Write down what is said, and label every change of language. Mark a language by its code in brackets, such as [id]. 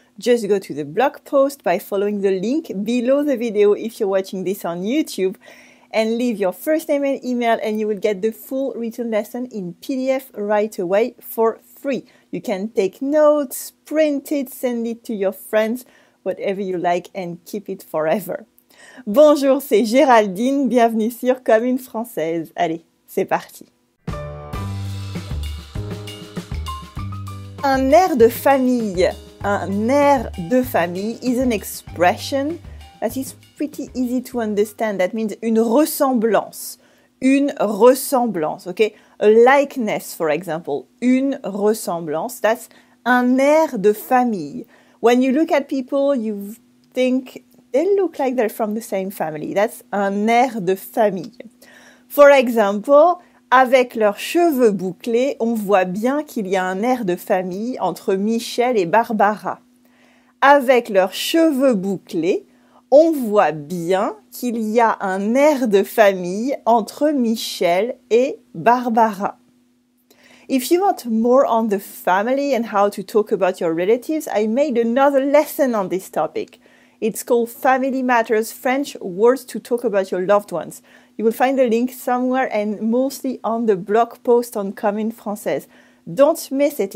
[en] Just go to the blog post by following the link below the video if you're watching this on YouTube, and leave your first name and email and you will get the full written lesson in PDF right away for free. You can take notes, print it, send it to your friends, whatever you like, and keep it forever. [fr] Bonjour, c'est Géraldine, bienvenue sur Comme une Française. Allez, c'est parti. [en] Un air de famille. Un air de famille is an expression that is pretty easy to understand. That means une ressemblance. Une ressemblance, okay? A likeness, for example. Une ressemblance, that's un air de famille. When you look at people, you think they look like they're from the same family. That's un air de famille. For example, [fr] avec leurs cheveux bouclés, on voit bien qu'il y a un air de famille entre Michel et Barbara. Avec leurs cheveux bouclés, on voit bien qu'il y a un air de famille entre Michel et Barbara. [en] If you want more on the family and how to talk about your relatives, I made another lesson on this topic. It's called Family Matters, French Words to Talk About Your Loved Ones. You will find the link somewhere and mostly on the blog post on Comme une Française. Don't miss it.